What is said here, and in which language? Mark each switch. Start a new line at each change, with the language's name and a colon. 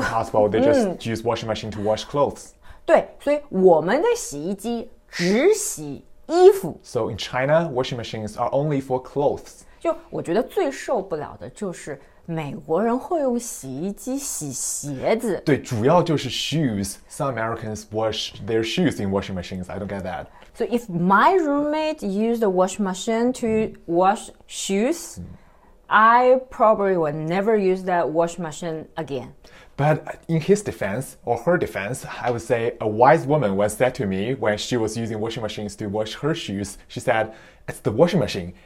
English: Impossible, they just use washing machine to wash clothes.
Chinese: 对，所以我们的洗衣机只洗衣服。
English: So in China, washing machines are only for clothes.
Chinese: 就我觉得最受不了的就是美国人会用洗衣机洗鞋子。对，主要就是 shoes.
English: Some Americans wash their shoes in washing machines. I don't get that. So if my roommate used a washing machine to wash shoes, I probably would never use that wash machine again. But in his defense, or her defense, I would say a wise woman once said to me when she was using washing machines to wash her shoes, she said, "It's the washing machine.